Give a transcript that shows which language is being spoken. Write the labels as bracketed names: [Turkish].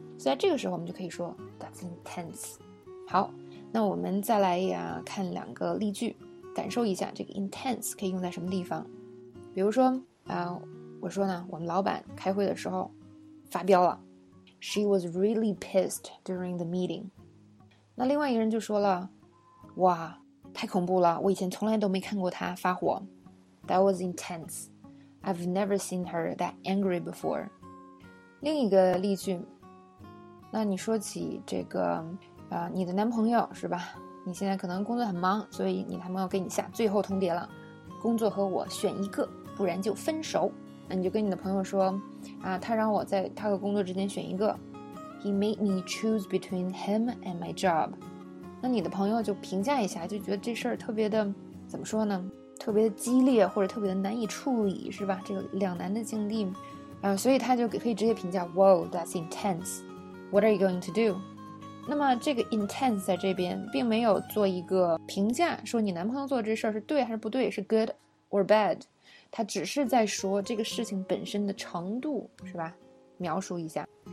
[Chinese] 所以在这个时候我们就可以说 [English] that's intense。 [Chinese] 好，那我们再来看两个例句，感受一下这个 intense 可以用在什么地方。比如说我说呢，我们老板开会的时候发飙了， [English] She was really pissed during the meeting。 [Chinese] 那另外一个人就说了，哇，太恐怖了，我以前从来都没看过她发火。 [English] That was intense. I've never seen her that angry before. [Chinese] 另一个例句，那你说起这个你的男朋友，是吧？你现在可能工作很忙，所以你男朋友给你下最后通牒了，工作和我选一个，不然就分手。那你就跟你的朋友说他让我在他和工作之间选一个。 [English] He made me choose between him and my job。 [Chinese] 那你的朋友就评价一下，就觉得这事儿特别的，怎么说呢，特别的激烈，或者特别的难以处理，是吧？这个两难的境地所以他就可以直接评价， [English] Wow, that's intense. What are you going to do? [Chinese] 那么这个 intense 在这边并没有做一个评价，说你男朋友做这事儿是对还是不对，是 [English] good or bad， [Chinese] 他只是在说这个事情本身的程度，是吧？描述一下。